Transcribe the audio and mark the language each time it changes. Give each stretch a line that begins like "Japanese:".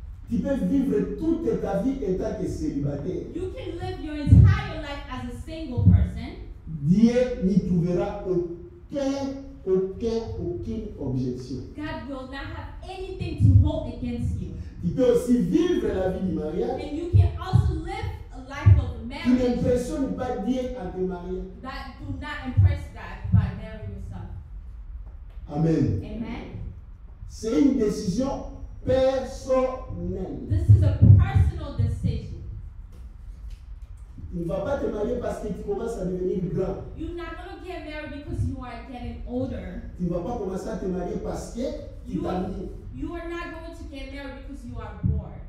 French: Tu peux vivre toute ta vie en tant que célibataire.
English: You can live your entire life as a single person.
French: Dieu n'y trouvera aucune objection.
English: God will not have anything to hold against you.
French: Tu peux aussi vivre la vie du mariage.
English: And you can also live a life of
French: tu n'impressionnes pas Dieu à te marier.
English: That do not impress God by marrying yourself. Amen. Amen.
French: C'est une décision personnelle.
English: This is a personal decision.
French: Tu ne vas pas te marier parce que tu commences à devenir grand.
English: You're not going to get married because you are getting older.
French: Tu ne vas pas commencer à te marier parce que tu t'as mis.
English: You are not going to get married because you are bored.